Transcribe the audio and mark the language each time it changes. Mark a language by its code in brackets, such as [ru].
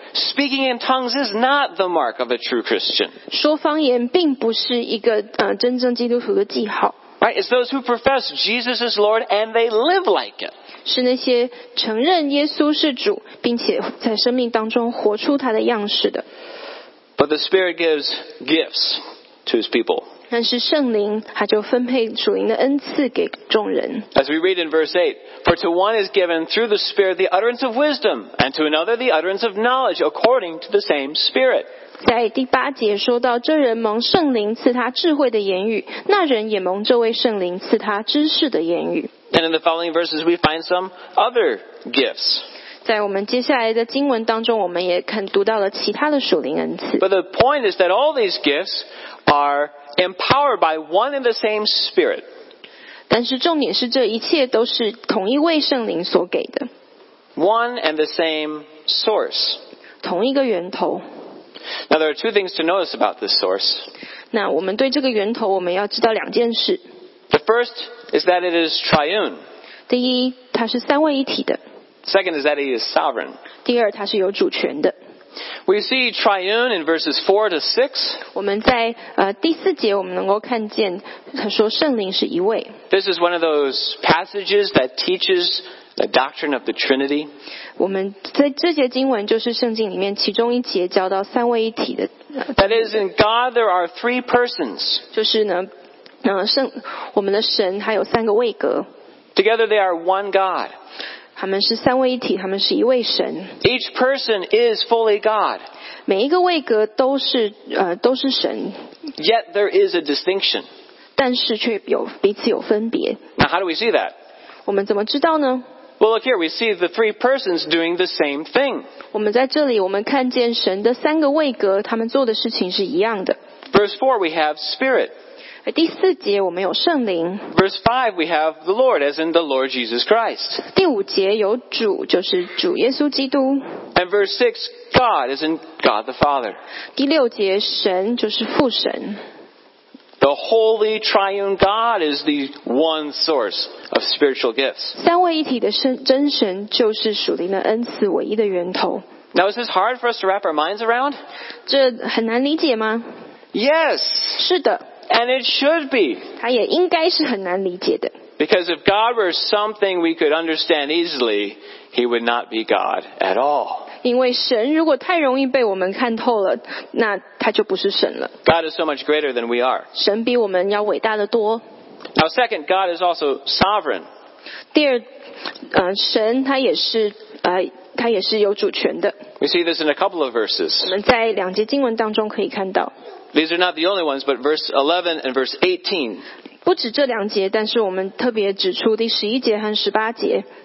[en] Speaking in tongues is not the mark of a true Christian. [zh] 说方言并不是一个真正基督徒的记号。 [en] Right, it's those who profess Jesus is Lord and they live like it. [zh] 是那些承认耶稣是主，并且在生命当中活出他的样式的。 [en] But the Spirit gives gifts to his people. [zh] 但是圣灵他就分配属灵的恩赐给众人。 [en] As we read in verse 8, for to one is given through the Spirit the utterance of wisdom, and to another the utterance of knowledge according to the same Spirit. [zh] 在第八节说到，这人蒙圣灵赐他智慧的言语，那人也蒙这位圣灵赐他知识的言语。 [en] And in the following verses, we find some other gifts. [zh] 在我们接下来的经文当中，我们也看读到了其他的属灵恩赐。 [en] But the point is that all these gifts are empowered by one and the same Spirit. [zh] 但是重点是，这一切都是同一位圣灵所给的。 [en] One and the same source. [zh] 同一个源头。 [en] Now there are two things to notice about this source. [zh] 那我们对这个源头，我们要知道两件事。 [en] The first is that it is triune. [zh] 第一，它是三位一体的。 [en] Second is that it is sovereign. [zh] 第二，它是有主权的。 [en] We see triune in verses 4 to 6. [zh] 我们在第四节，我们能够看见他说圣灵是一位。 [en] This is one of those passages that teaches the doctrine of the Trinity. [zh] 我们在这节经文就是圣经里面其中一节教到三位一体的。 [en] That is, in God there are three persons. [zh] 就是呢，我们的神还有三个位格。 [en] Together they are one God. [zh] 他们是三位一体，他们是一位神。 [en] Each person is fully God. [zh] 每一个位格都是神。 [en] Yet there is a distinction. [zh] 但是却有彼此有分别。 [en] Now how do we see that? [zh] 我们怎么知道呢？ [en] Well, look here, we see the three persons doing the same thing. [zh] 我们在这里，我们看见神的三个位格，他们做的事情是一样的。 [en] Verse 4, we have Spirit. [zh] 第四节，我们有圣灵。 [en] Verse 5, we have the Lord, as in the Lord Jesus Christ. [zh] 第五节，有主，就是主耶稣基督。 [en] And verse 6, God, as in God the Father. [zh] 第六节，神，就是父神。 [en] The Holy Triune God is the one source of spiritual gifts. [zh] 三位一体的真神就是属灵的恩赐唯一的源头。 [en] Now, is this hard for us to wrap our minds around? [zh] 这很难理解吗？ [en] Yes. [zh] 是的。 [en] And it should be. [zh] 它也应该是很难理解的。 [en] Because if God were something we could understand easily, he would not be God at all. [zh] 因为神如果太容易被我们看透了，那他就不是神了。 [en] God is so much greater than we are. [zh] 神比我们要伟大的多。 [en] Now, second, God is also sovereign. [zh] 第二，神他也是有主权的。 [en] We see this in a couple of verses. [zh] 我们在两节经文当中可以看到。 [en] These are not the only ones, but verse 11 and verse 18. [zh] 不止这两节，但是我们特别指出第十一节和十八节。